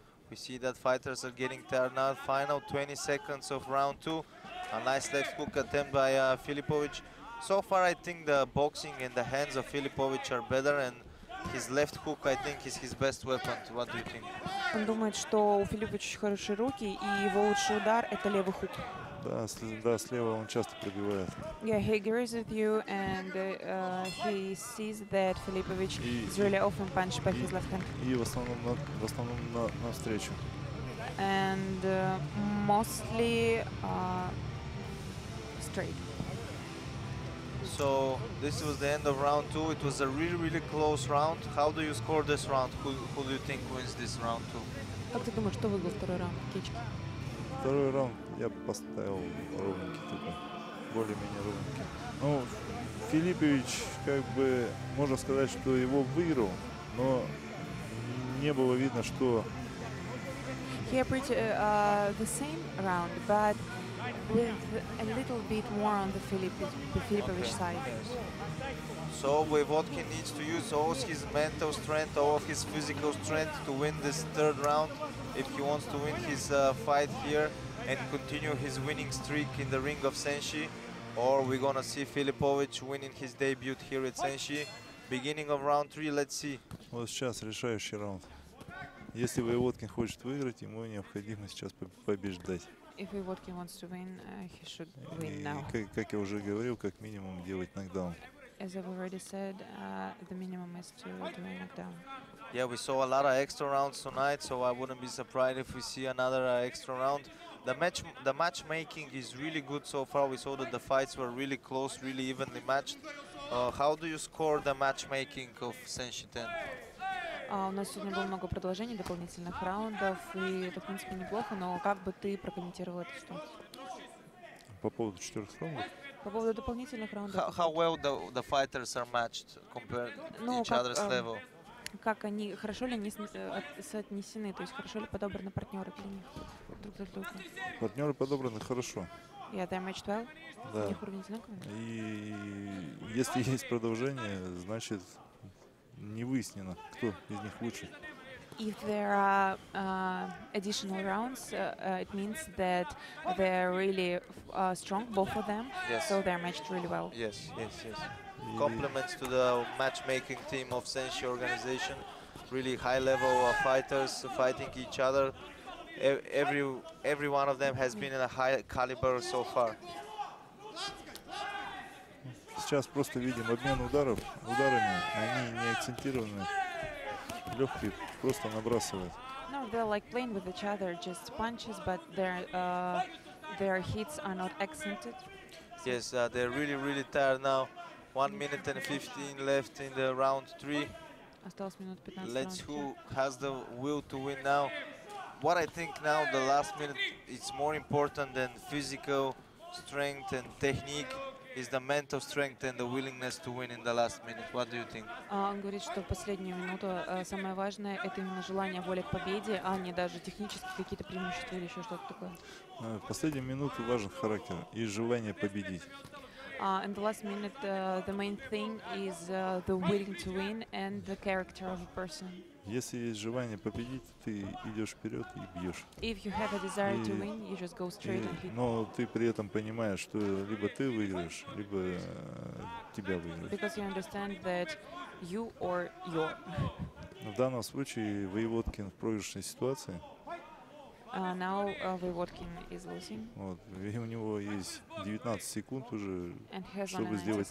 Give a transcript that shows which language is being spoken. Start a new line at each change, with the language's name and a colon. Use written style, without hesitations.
English: We see that fighters are getting tired now. Final 20 seconds of round two. A nice left hook attempt by Filipovic. So far, I think the boxing and the hands of Filipovic are better, and His left hook, I think, is his best weapon. What do you think?
Russian: Он думает, что у Филипповича очень хорошие руки, и его лучший удар – это левый хук. Да, да, слева он часто пробивает.
English: Yeah, he agrees with you, and he sees that Filipovic is really often punched by his left hand.
Russian: И в основном на встречу.
English: And mostly straight. So this was the end of round two. It was a really, really close round. How do you score this round? Who do you think wins this round two?
Russian: Как ты думаешь, кто выиграл второй раунд, Кички? Второй раунд я бы поставил ровненький такой, более-менее ровненький. Ну, Филипович, как бы, можно сказать, что его выиграл, но не было видно, что...
English: He approached the same round, but with a little bit more on the Filipovic side. So Voevodkin needs to use all his mental strength, all of his physical strength to win this third round if he wants to win his fight here and continue his winning streak in the ring of Senshi. Or we're gonna see Filipovic winning his debut here at Senshi. Beginning of round three, let's see.
Russian: Вот сейчас решающий раунд. Если Voevodkin хочет выиграть, ему необходимо сейчас побеждать.
English: If Voevodkin wants to win, he should win now.
Russian: Как я уже говорил, как минимум делать нокдаун.
English: As I've already said, the minimum is to do a knockdown. Yeah, we saw a lot of extra rounds tonight, so I wouldn't be surprised if we see another extra round. The matchmaking is really good so far. We saw that the fights were really close, really evenly matched. How do you score the matchmaking of Senshi 10?
Russian: У нас сегодня было много продолжений, дополнительных раундов, и это, в принципе, неплохо, но как бы ты прокомментировал эту ситуацию? По поводу четырех раундов? По поводу дополнительных раундов.
English: How well the fighters are matched compared to each other's level?
Russian: Как они, хорошо ли они соотнесены, то есть хорошо ли подобраны партнеры для них друг за другом? Партнеры подобраны хорошо.
English: Yeah, they're matched well?
Russian: Да. У них уровень знаковый? И если есть продолжение, значит... Не выяснено, кто из них лучше.
English: If there are additional rounds, it means that they're really strong, both of them. Yes. So they're matched really well. Yes, yes, yes. Compliments to the matchmaking team of Senshi organization. Really high level fighters fighting each other. Every one of them has been in a high caliber so far.
Russian: Сейчас просто видим обмен ударами, они не акцентированы, легкие, просто набрасывают.
English: No, they're like playing with each other, just punches, but their hits are not accented. Yes, they're really, really tired now. 1:15 left in the round three.
Russian: Осталось минут 15.
English: Let's see who has the will to win now. What I think now, the last minute, it's more important than physical strength and technique. Is the mental strength and the willingness to win in the last minute? What do you think?
Russian: Он говорит, что в последнюю минуту самое важное это именно желание, воля к победе, а не даже технические какие-то преимущества или еще что-то такое. В последнюю минуту важен характер и желание победить.
English: In the last minute, the main thing is the willing to win and the character of a person.
Russian: Если есть желание победить, ты идешь вперед и бьешь.
English: If you have a desire to win, you just go straight and hit.
Russian: Но ты при этом понимаешь, что либо ты выиграешь, либо тебя выиграют.
English: Because you understand that you or your.
Russian: В данном случае Voevodkin в проигрышной ситуации.
English: Now Voevodkin is losing.
Russian: Вот, и у него есть 19 секунд уже, чтобы сделать